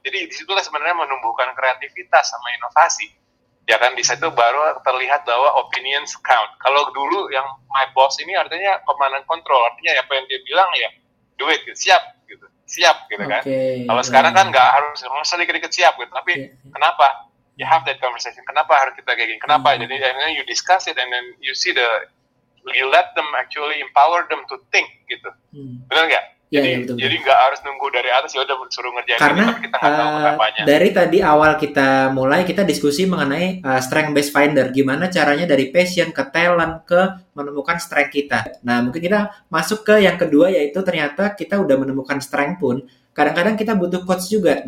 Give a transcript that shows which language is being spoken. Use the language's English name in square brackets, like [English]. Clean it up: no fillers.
[Indonesian] Jadi disitulah sebenarnya menumbuhkan kreativitas sama inovasi. Ya kan, di situ baru terlihat bahwa [English] opinions count. [Indonesian] Kalau dulu yang my boss ini artinya komandan kontrol, artinya apa yang dia bilang ya, [English] do it, [Indonesian] gitu. Siap gitu. Siap gitu, okay, kan. Kalau sekarang kan enggak harus sedikit-sedikit siap gitu. Tapi kenapa? [English] You have that conversation. [Indonesian] Kenapa harus kita kayak gini? Kenapa? Jadi akhirnya [English] you discuss it and then you see the, you let them actually empower them to think [Indonesian] gitu. Benar enggak? Jadi enggak harus nunggu dari atas ya udah suruh ngerjain. Karena ini, kita enggak tahu kenapanya. Dari tadi awal kita mulai, kita diskusi mengenai strength based finder. Gimana caranya dari passion ke talent ke menemukan strength kita. Nah, mungkin kita masuk ke yang kedua, yaitu ternyata kita udah menemukan strength pun kadang-kadang kita butuh coach juga.